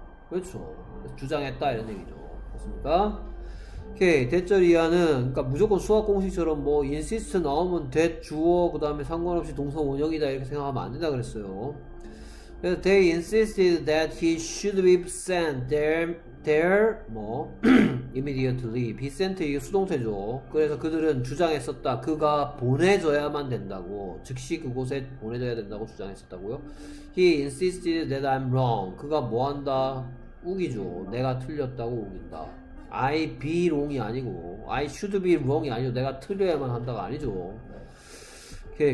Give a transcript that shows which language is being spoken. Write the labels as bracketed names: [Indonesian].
[Korean] 그렇죠 주장했다 이런 얘기죠. 맞습니까? 오케이 대절 이하는 그러니까 무조건 수학 공식처럼 뭐 insist 나오면 that 주어 그 다음에 상관없이 동사 원형이다 이렇게 생각하면 안 된다 그랬어요. [English] They insisted that he should be sent there 뭐 immediately. [Korean] be sent 이게 수동태죠. 그래서 그들은 주장했었다. 그가 보내줘야만 된다고. 즉시 그곳에 보내줘야 된다고 주장했었다고요. [English] He insisted that I'm wrong. [Korean] 그가 뭐 한다? 우기죠. 내가 틀렸다고 우긴다. [English] I be wrong [Korean] 이 아니고 [English] I should be wrong [Korean] 이 아니고 내가 틀려야만 한다가 아니죠. 오케이.